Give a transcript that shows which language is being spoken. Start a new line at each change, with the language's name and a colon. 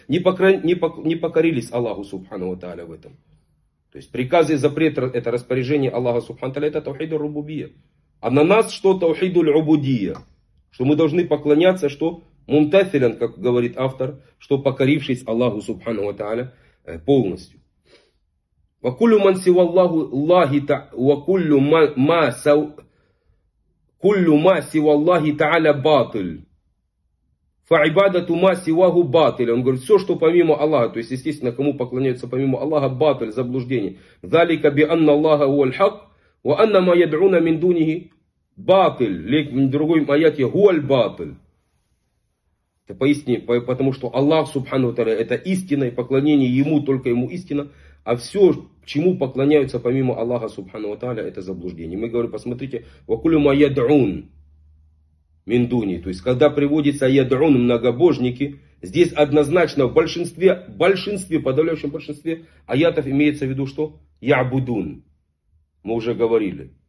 Russian: Не покорились Аллаху Субхану ва Тааля в этом. То есть приказы и запрет, это распоряжение Аллаха Субхану ва Тааля, это таухид аль-рубубия. А на нас что таухид аль-убудия? Что мы должны поклоняться, что мумтафилян, как говорит автор, что покорившись Аллаху Субхану ва Тааля полностью.
Arabic: وكل من سوى الله الله وكل ما سوى كل ما سوى الله تعالى باطل. فعبادة ما سواه باطل.
Russian: Он говорит, все, что помимо Аллаха, то есть, естественно, кому поклоняются помимо Аллаха, باطل, заблуждение.
Arabic: ذلك بأن الله هو الحق وأن ما يدعون من دونه باطل. لكن
Russian: другой аят,
Arabic: هو الباطل.
Russian: Это поистине, потому что Аллах, Субхану Тааля, это истина, и поклонение Ему, только Ему истина. А все, чему поклоняются помимо Аллаха, Субхану Тааля, это заблуждение. Мы говорим, посмотрите,
Arabic: وَكُلُ مَا يَدْعُونَ
Russian: Миндуни. То есть, когда приводится ядрун, многобожники, здесь однозначно в большинстве, подавляющем большинстве аятов имеется в виду что? Ябудун. Мы уже говорили.